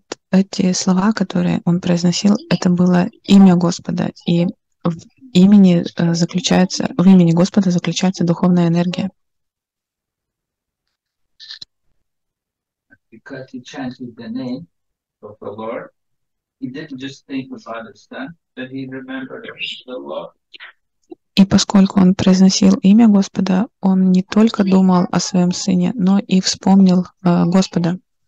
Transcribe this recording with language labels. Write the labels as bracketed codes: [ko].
[ru] Эти слова, которые он произносил, это было имя Господа, и в имени Господа заключается духовная энергия. [en] Because he chanted the name of the Lord, he didn't just think about his son, but he remembered the Lord. [ru] И поскольку он произносил имя Господа, он не только думал о своем сыне, но и вспомнил Господа.